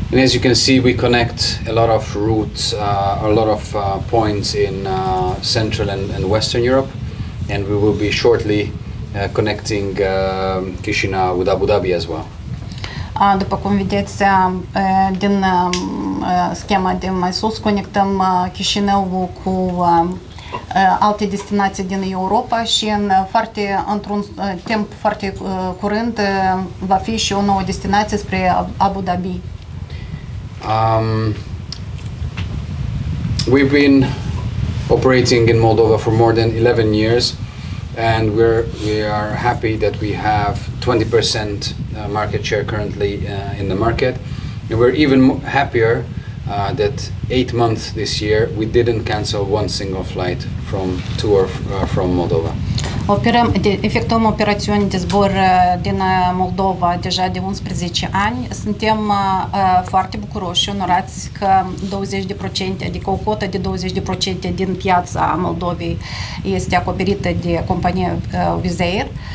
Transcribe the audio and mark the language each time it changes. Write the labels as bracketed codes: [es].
[en] And as you can see, we connect a lot of routes, a lot of points in Central and Western Europe, and we will be shortly connecting Chișinău with Abu Dhabi as well. [ro] După cum vedeți, din schema de mai sus, conectăm Chișinău cu alte destinații din Europa și într-un timp foarte curând va fi și o nouă destinație spre Abu Dhabi. [en] We've been operating in Moldova for more than 11 years and we are happy that we have 20% market share currently in the market. And we're even happier that 8 months this year we didn't cancel one single flight from to or from Moldova. [ro] Efectuăm operațiuni de zbor din Moldova deja de 11 ani. Suntem foarte bucuroși și onorați că 20%, adică o cotă de 20% din piața Moldovei este acoperită de compania Wizz Air.